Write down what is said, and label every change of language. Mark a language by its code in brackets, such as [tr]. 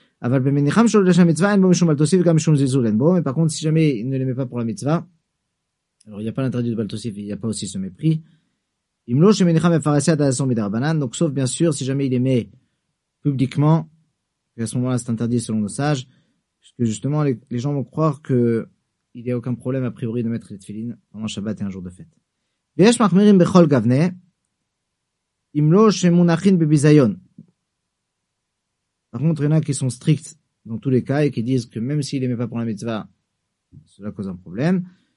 [fr] Mais par contre, si jamais il ne les met pas pour la mitzvah, alors il n'y a pas l'interdit de baltosif, il n'y a pas aussi ce mépris. Donc sauf bien sûr si jamais il les met publiquement, et à ce moment-là c'est interdit selon nos sages, puisque justement les gens vont croire qu'il n'y a aucun problème a priori de mettre les tefillin pendant Shabbat et un jour de fête. [he] ויש מחמירים בכל גוונה, אם לא שמונחים בביזיון. [fr] Par contre, il y en a qui sont stricts dans tous les cas et qui disent que même s'il n'aimait pas pour la mitzvah, cela cause un problème.